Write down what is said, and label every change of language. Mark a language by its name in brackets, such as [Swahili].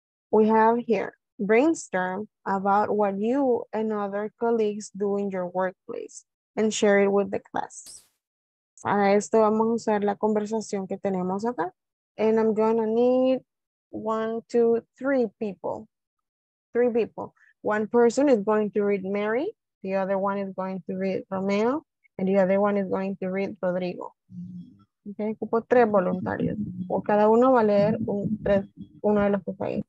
[English] We have here, brainstorm about what you and other colleagues do in your workplace and share it with the class. [Spanish] Para esto vamos a usar la conversación que tenemos acá. [English] And I'm gonna need 1, 2, 3 people. Three people. One person is going to read Mary, the other one is going to read Romeo, and the other one is going to read Rodrigo. [Spanish] Okay, ocupo tres voluntarios. O cada uno va a leer uno de los que está ahí.